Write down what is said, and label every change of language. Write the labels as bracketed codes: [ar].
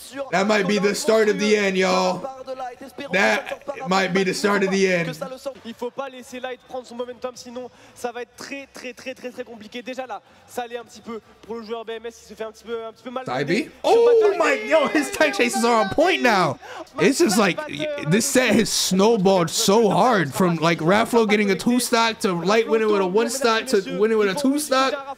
[en] That might be the start of the end, y'all. That might be the start of the end. [fr] Il faut pas laisser Light prendre son momentum, sinon ça va être très très très très très compliqué. Déjà là, ça allait un petit peu pour le joueur BMS. Il se fait un petit peu mal. [en] Tybee? Oh my, yo, his tight chases are on point now. It's just like this set has snowballed so hard from like Raflo getting a two stock to Light winning with a one stock to winning with a two stock.